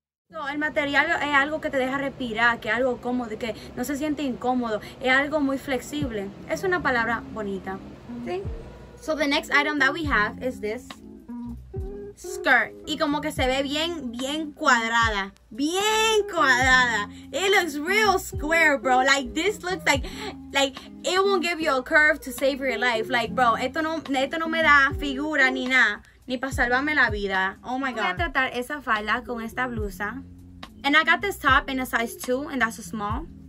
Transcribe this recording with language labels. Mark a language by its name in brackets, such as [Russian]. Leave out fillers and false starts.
[Spanish] So, el material es algo que te deja respirar, que es algo cómodo, que no se siente incómodo. Es algo muy flexible. Es una palabra bonita. ¿Sí? [English] So, the next item that we have is this skirt. [Spanish] Y como que se ve bien cuadrada. [English] It looks real square, bro. Like, this looks like it won't give you a curve to save your life. [Spanish] Like, bro, esto no me da figura ni nada, ni para salvarme la vida. [English] Oh my God. [Spanish] Voy a tratar esa falda con esta blusa. [English] And I got this top in a size 2, and that's a small.